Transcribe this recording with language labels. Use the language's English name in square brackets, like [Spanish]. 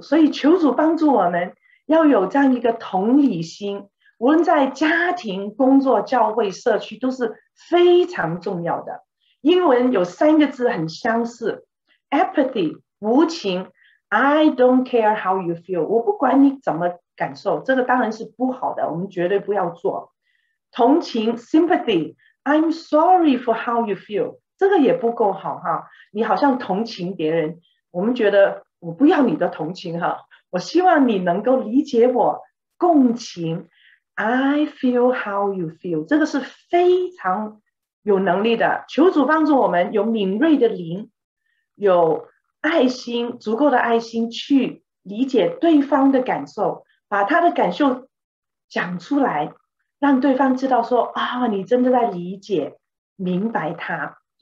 [Chinese] 所以求主帮助我们要有这样一个同理心，无论在家庭、工作、教会、社区都是非常重要的。英文有三个字很相似， apathy 无情， [English] I don't care how you feel， [Chinese] 我不管你怎么感受，这个当然是不好的，我们绝对不要做。同情 sympathy， [English] I'm sorry for how you feel， [Chinese] 这个也不够好哈。你好像同情别人，我们觉得我不要你的同情哈，我希望你能够理解我，共情， [English] I feel how you feel， [Chinese] 这个是非常有能力的。求主帮助我们有敏锐的灵，有爱心，足够的爱心去理解对方的感受，把他的感受讲出来，让对方知道说啊，你真的在理解明白他。